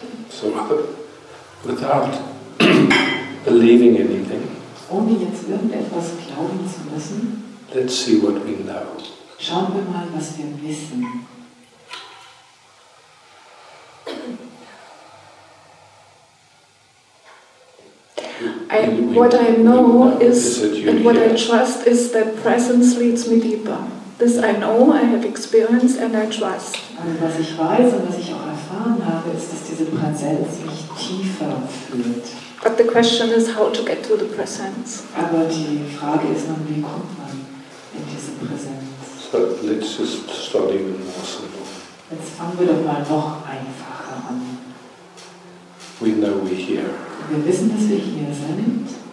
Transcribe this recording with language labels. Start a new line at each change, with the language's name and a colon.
English: So without believing anything.
German: Ohne jetzt irgendetwas glauben zu müssen.
English: Let's see what we know.
German: Schauen wir mal, was wir wissen.
English: What I know is and what I trust is that presence leads me deeper. This I know, I have experienced and I trust.
German: Also was ich weiß und was ich auch erfahren habe, ist, dass diese Präsenz mich tiefer führt.
English: But the question is how to get to the presence.
German: Aber die Frage ist nun, wie kommt man in diese Präsenz?
English: So let's just start even more simple.
German: Jetzt fangen wir doch mal noch einfacher an.
English: We know we're here.
German: Wir wissen, dass wir hier sind.